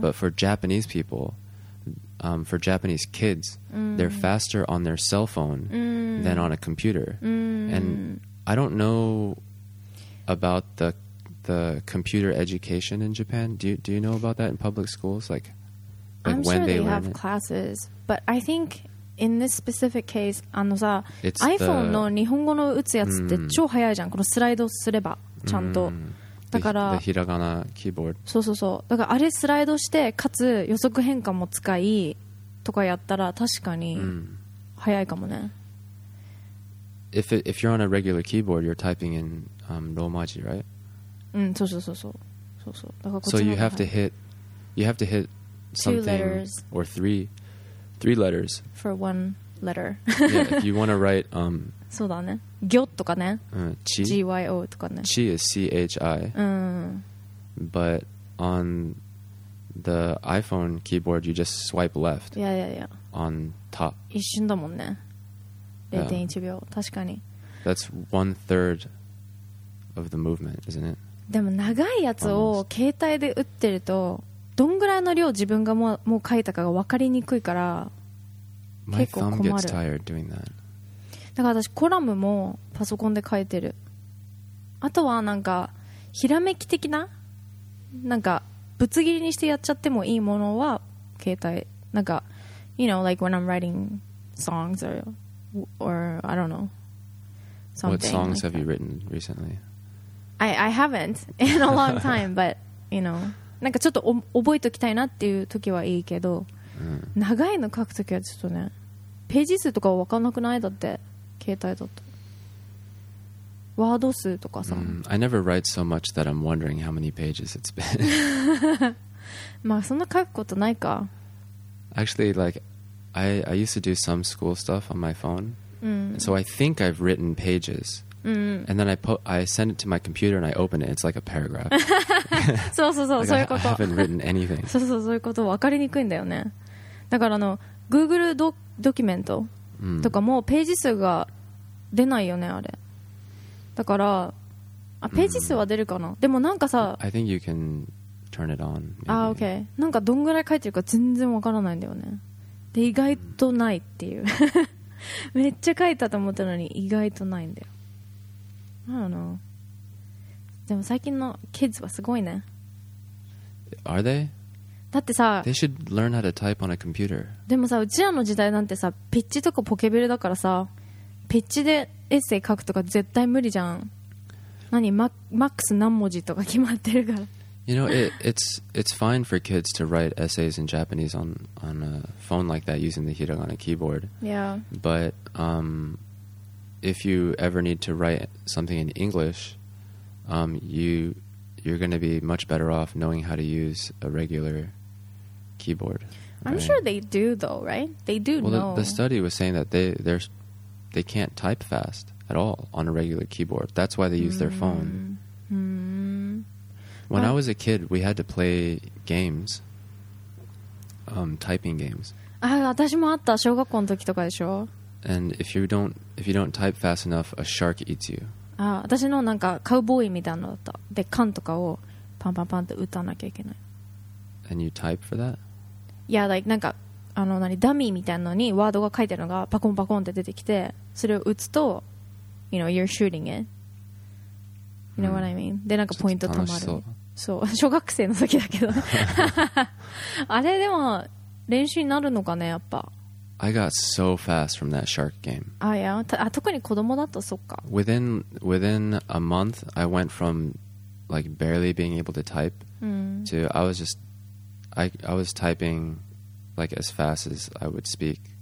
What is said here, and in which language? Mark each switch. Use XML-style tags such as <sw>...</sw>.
<en>But for Japanese people, for Japanese kids, they're faster on their cell phone than on a computer. And I don't know about the computer education in Japan. Do you know about that in public schools? Like I'm when sure they have classes, but I think in this specific case, あのさ、 it's iPhone the,</en> <ja>の日本語の打つやつって超早いじゃん。このスライドすればちゃんと。だから、ひらがなキーボード。そうそうそう。だからあれスライドしてかつ予測変換も使いとかやったら確かに早いかもね。</ja> <en>If you're on a regular keyboard, you're typing in ローマ字, right?</en> <ja>そうそうそう。だからこ</ja> <en>っちの。So you have to hit something or three letters for one letter. Yeah, if you want to write</en> <ja>そうだね。行とかね。</ja> <en>GYO</en> <ja>とかね。</ja> <en>チ is CHI. But on the iPhone keyboard, you just swipe left. Yeah. On top.</en> <ja>一瞬だもんね。0.1 秒、確かに。</ja> <en>That's one third of the movement, isn't it?</en> <ja>でも長いやつを携帯で打ってるとどんぐらいの量自分がもう書いたかが分かりにくいから結構困る。</ja> <en>My thumb gets tired doing that.</en> <ja>だから私コラムもパソコンで書いてる。あとはなんかひらめき的ななんかぶつ切りにしてやっちゃってもいいものは携帯。</ja> <en>なんか You know, like when I'm writing songs or I don't know something. What songs、 like、 have、 that. You written recently? I haven't in a long time, but you know,</en> <ja>なんかちょっと覚えておきたいなっていう時はいいけど、長いの書く時はちょっとね、ページ数とかは分かんなくない？だって携帯だと、ワード数とかさ、</ja> <en>I never write so much that I'm wondering how many pages it's been.</en> <ja>まあそんな書くことないか。</ja> <en>Actually, like. I used to do some school stuff on my phone. So I think I've written pages. And then I send it to my computer and I open it. It's like a paragraph.</en> <ja>そうそうそう、</ja> <en>like、</en> <ja>そういうこと。</ja> <en>I haven't written anything.</en> <ja>そうそう、そういうこと。分かりにくいんだよね。だからGoogle ドキュメントとかもページ数が出ないよね、あれ。だから、ページ数は出るかな。でもなんかさ、</ja> <en>I think you can turn it on.</en> <ja>あ、OK。なんかどんぐらい書いてるか全然分からないんだよね。で意外とないっていうめっちゃ書いたと思ったのに意外とないんだよ。</ja> <en>I don't know.</en> <ja>でも最近のキッズはすごいね。</ja> <en>Are they?</en> <ja>だってさ</ja> <en>They should learn how to type on a computer.</en> <ja>でもさうちらの時代なんてさピッチとかポケベルだからさピッチでエッセイ書くとか絶対無理じゃん。何 マックス何文字とか決まってるから。</ja> <en>You know, it's fine for kids to write essays in Japanese on a phone like that using the hiragana keyboard. Yeah. But if you ever need to write something in English, you're going to be much better off knowing how to use a regular keyboard. Right? I'm sure they do, though, right? They do well, know. Well, the study was saying that they can't type fast at all on a regular keyboard. That's why they use their phone. When I was a kid, we had to play games, typing games.</en> <ja>あ、私もあった。小学校の時とかでしょ。</ja> <en>And if you don't type fast enough, a shark eats you.</en> <ja>あ、私のなんかカウボーイみたいなのだった。で、缶とかをパンパンパンって打たなきゃいけない。</ja> <en>And you type for that? Yeah, like</en> <ja>なんかあの何ダミーみたいなのにワードが書いてるのがパコンパコンって出てきて、それを打つと、</ja> <en>you know, you're shooting it. You know what I mean?</en> <ja>で、なんかポイント貯まる。そう。小学生の時だけど。あれ、でも、練習になるのかね、やっぱ。</ja> <en>I got so fast from that shark game. Oh, yeah?</en> <ja>特に子供だと、そっか。</ja> <en>Within a month, I went from, like, barely being able to type to, I was just, I was typing like as fast as I would speak.</en>